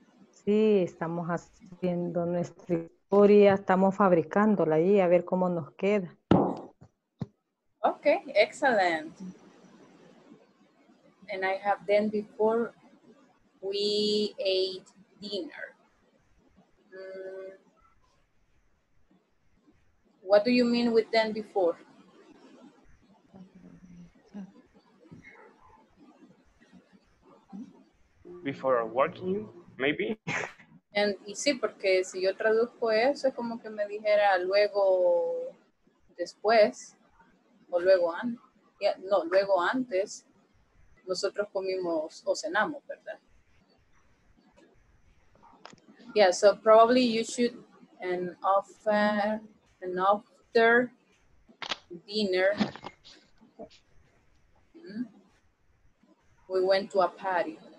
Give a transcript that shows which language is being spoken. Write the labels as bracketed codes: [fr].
[es] Sí, estamos haciendo nuestra historia, estamos fabricándola ahí, a ver cómo nos queda. [en] Okay, excellent. And I have then before we ate dinner. What do you mean with then before? Before working, maybe. [es] And, y sí, porque si yo traduzco eso, es como que me dijera luego, después, o luego antes. Yeah, no, luego antes, nosotros comimos o cenamos, ¿verdad? [en] Yeah, so probably you should an offer an after dinner. We went to a party.